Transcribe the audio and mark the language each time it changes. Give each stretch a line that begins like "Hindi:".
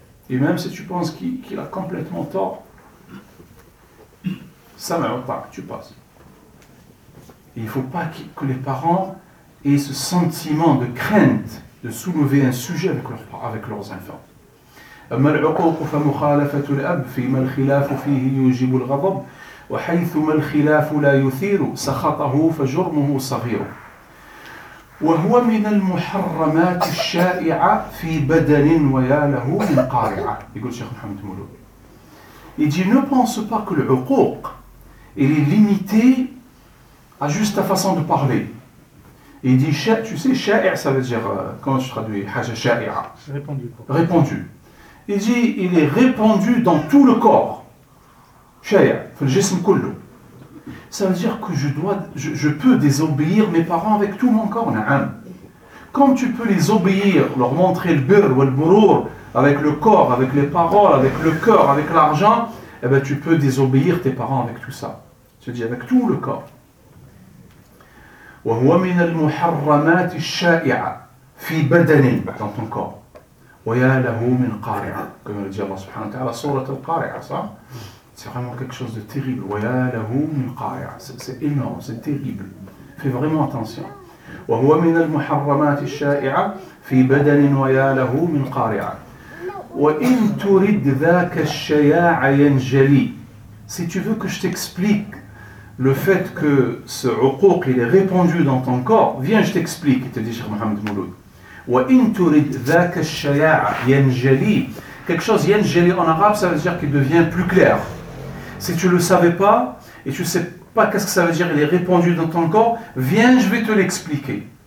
French: Et même si tu penses qu'il a complètement tort, ça ne va pas, tu passes. Il ne faut pas que les parents aient ce sentiment de crainte de soulever un sujet avec leurs enfants.
Arabic: أما العقوق فمخالفة الأب فيما الخلاف فيه يوجب الغضب وحيثما الخلاف لا يثير سخطه فجرمه صغير وهو من المحرمات الشائعة في بدن ويا له من قارعة. يقول شيخ محمد مولود.
French: Il dit ne pense pas que l'uquq il est limité à juste ta façon de parler. Il dit, tu sais, sha'i'a, ça veut dire, comment tu traduis, haja sha'i'a. Répandu. Répandu. Il dit, il est répandu dans tout le corps. Sha'i'a, fil jism kullu. Ça veut dire que je peux désobéir mes parents avec tout mon corps, na'am. Quand tu peux les obéir, leur montrer le birr ou le burur, avec le corps, avec les paroles, avec le cœur, avec l'argent, eh bien, tu peux désobéir tes parents avec tout ça. Je dis avec tout le corps.
Arabic: وهو من المحرمات الشائعة في بدن
French: dans ton corps.
Arabic: ويا له من قارعة.
French: Comme le dit Allah subhanahu wa ta'ala, surat al-qari'a, ça. C'est vraiment quelque chose de terrible.
Arabic: ويا له من قارعة.
French: C'est énorme, c'est terrible. Fais vraiment attention.
Arabic: وهو من المحرمات الشائعة في بدن ويا له من قارعة. وإن تريد ذاك الشياع ينجلي.
French: Si tu veux que je t'explique le fait que ce uquq il est répandu dans ton corps, viens je t'explique, te dit Cheikh Mohamed Mouloud.
Arabic: وَإِنْ تُرِدْ ذَاكَ الشَّيَاعَ يَنْجَلِي.
French: Quelque chose, yenjeli en arabe, ça veut dire qu'il devient plus clair. Si tu ne le savais pas, et tu ne sais pas qu'est-ce que ça veut dire, il est répandu dans ton corps, viens, je vais te l'expliquer.